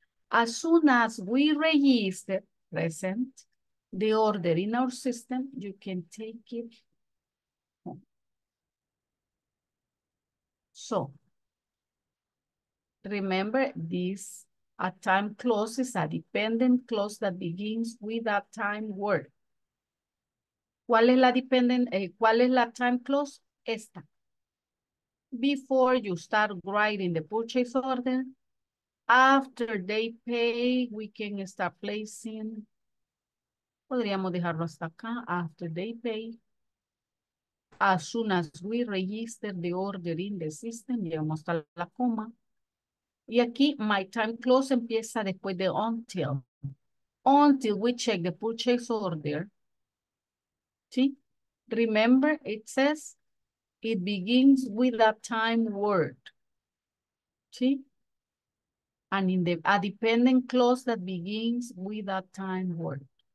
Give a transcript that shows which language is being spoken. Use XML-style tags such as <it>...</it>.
<en>As soon as we register present, the order in our system, you can take it home. So, remember this, a time clause is a dependent clause that begins with a time word.</en> <es>¿Cuál es la dependent, cuál es la time clause? Esta.</es> <en>Before you start writing the purchase order, after they pay, we can start placing.</en> <es>Podríamos dejarlo hasta acá.</es> <en>After they pay, as soon as we register the order in the system,</en> <es>llegamos hasta la coma. Y aquí, my time clause empieza después de until.</es> <en>Until we check the purchase order. ¿Sí? Remember, it says, it begins with a time word. See? And in the a dependent clause that begins with a time word.</en>